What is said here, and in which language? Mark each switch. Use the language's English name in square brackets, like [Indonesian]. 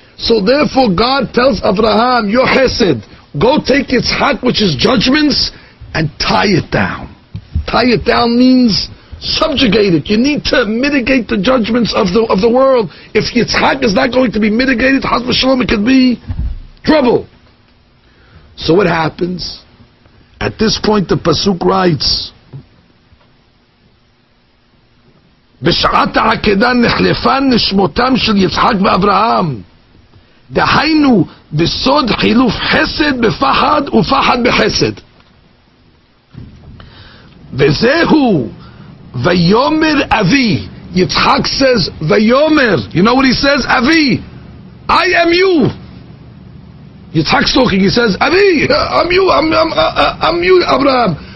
[English] So therefore God tells Avraham, your chesed, go take Yitzhak, which is judgments, and tie it down. Tie it down means subjugate it. You need to mitigate the judgments of the world. If Yitzhak is not going to be mitigated, Chas v'Shalom, it could be trouble. So what happens? At this point, the Pasuk writes, [Hebrew] בשעת העקדה נחלפה נשמותם של יצחק ואברהם, דהיינו בסוד חילוף חסד בפחד ופחד בחסד. וזהו, ויומר אבי, [English] יצחק says, ויומר, you know what he says, אבי, I am you. Yitzhak's talking, he says, Avi, I'm you, Abraham.